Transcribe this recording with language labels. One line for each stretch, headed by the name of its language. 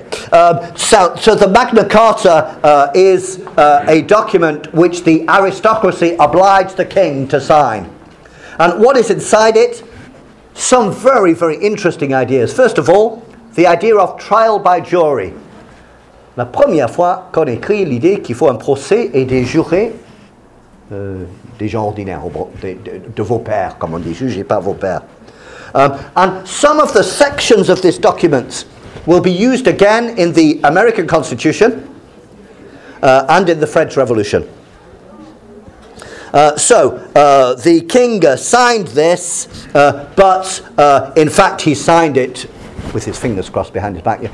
English: So the Magna Carta is a document which the aristocracy obliged the king to sign. And what is inside it? Some very, very interesting ideas. First of all, the idea of trial by jury.
French: La première fois qu'on écrit l'idée qu'il faut un procès et des jurés, des gens ordinaires, de vos pères, comme on dit, jugez pas vos pères.
English: And some of the sections of this document will be used again in the American Constitution and in the French Revolution. The king signed this, in fact he signed it with his fingers crossed behind his back.